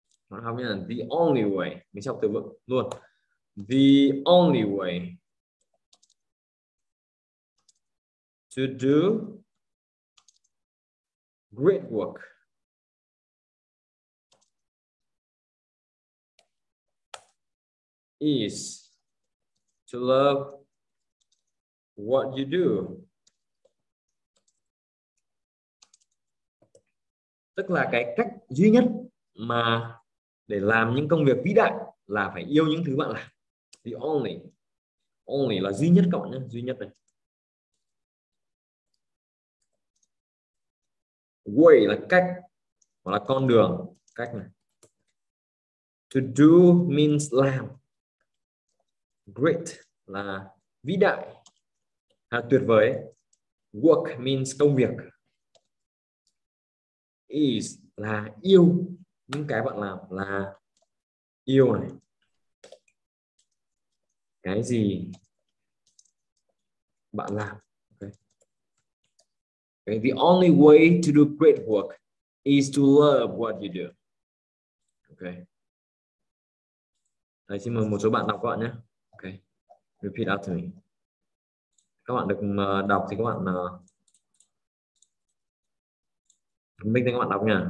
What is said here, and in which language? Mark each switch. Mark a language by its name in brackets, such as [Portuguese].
[English] The only way. [Vietnamese] Mình sẽ học từ vựng luôn. [English] The only way to do great work is to love what you do. [Vietnamese] Tức là cái cách duy nhất mà để làm những công việc vĩ đại là phải yêu những thứ bạn làm. [English] The only. [Vietnamese] Only là duy nhất các bạn nhé. Duy nhất này. Way là cách. Hoặc là con đường. Cách này. [English] To do means [Vietnamese] làm. Great là vĩ đại. Là tuyệt vời. [English] Work means [Vietnamese] công việc. Is là yêu. Những cái bạn làm là yêu này. Cái gì bạn làm. Okay. Okay. [English] The only way to do great work is to love what you do. Okay. [Vietnamese] Thầy xin mời một số bạn đọc các bạn nhé. [English] Okay. Repeat after me. [Vietnamese] Các bạn được đọc thì các bạn mình thấy các bạn đọc nha.